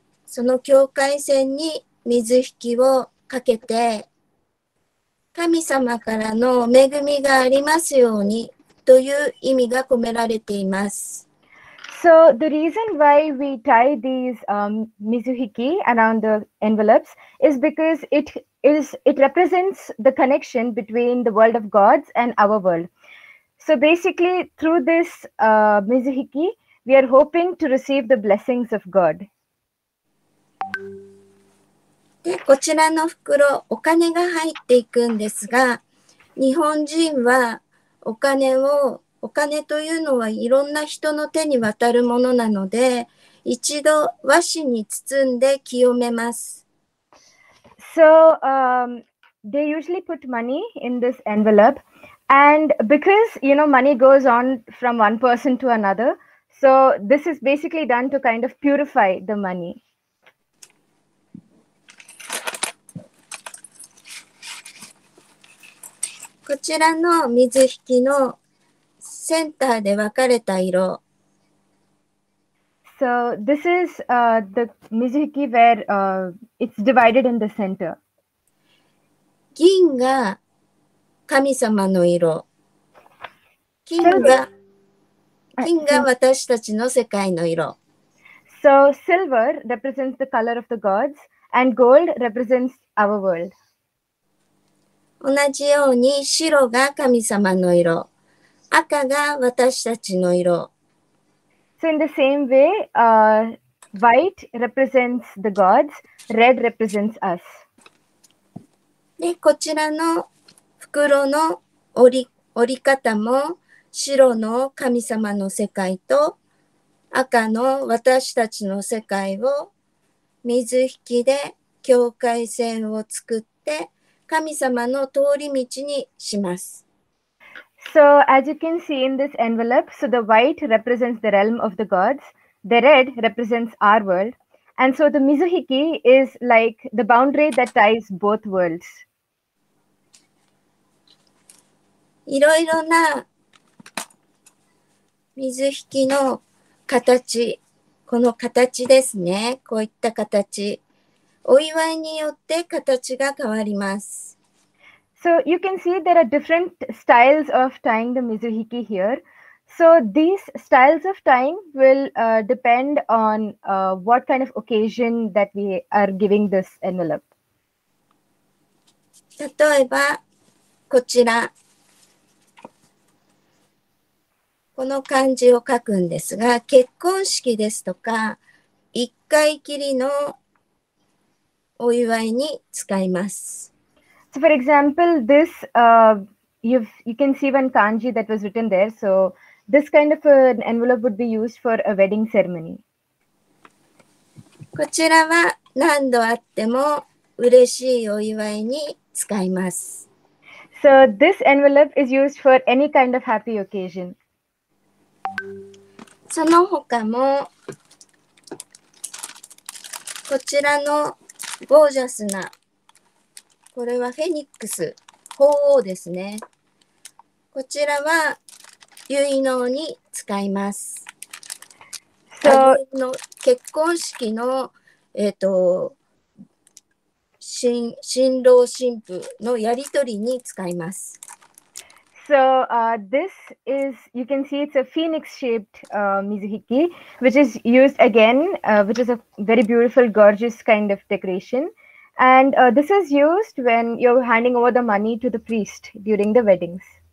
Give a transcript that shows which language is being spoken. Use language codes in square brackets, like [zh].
[ja] その境界線に水引きをかけて、神様からの恵みがありますようにという意味が込められています。 [en] So the reason why we tie these mizuhiki around the envelopes is because it represents the connection between the world of gods and our world. So basically, through this mizuhiki, we are hoping to receive the blessings of God. [ja] で、こちらの袋、お金が入っていくんですが、日本人はお金というのはいろんな人の手に渡るものなので、一度和紙に包んで清めます。 [en] So, they usually put money in this envelope. And because, you know, money goes on from one person to another, so this is basically done to kind of purify the money. [ja] こちらの水引きのセンターで分かれた色。 [en] So this is the 水引き where it's divided in the center. [ja] 銀が神様の色。金が私たちの世界の色。 [en] So silver represents the color of the gods and gold represents our world. [ja] 同じように白が神様の色、赤が私たちの色。 [en] So in the same way, white represents the gods, red represents us. [ja] で、こちらの袋の折り方も白の神様の世界と赤の私たちの世界を水引きで境界線を作って神様の通り道にします。 [en] So as you can see in this envelope, so the white represents the realm of the gods, the red represents our world, and so the mizuhiki is like the boundary that ties both worlds. [ja] いろいろな mizuhiki の形、この形ですね、こういった形、お祝いによって形が変わります。 [en] So you can see there are different styles of tying the mizuhiki here. So these styles of tying will depend on what kind of occasion that we are giving this envelope. [ja] 例えばこちら。この漢字を書くんですが、結婚式ですとか、一回きりのお祝いに使います。 [en] So for example, this, you can see one kanji that was written there. So this kind of an envelope would be used for a wedding ceremony. [ja] こちらは何度あっても嬉しいお祝いに使います。 [en] So this envelope is used for any kind of happy occasion. [ja] その他も、こちらのゴージャスなこれはフェニックス、鳳凰ですね。こちらは結納に使います。 [en] So, [ja] の結婚式の、新郎新婦のやりとりに使います。 [en] So, this is, you can see it's a phoenix shaped mizuhiki, which is used again, which is a very beautiful, gorgeous kind of decoration. And this is used when you're handing over the money to the priest during the weddings.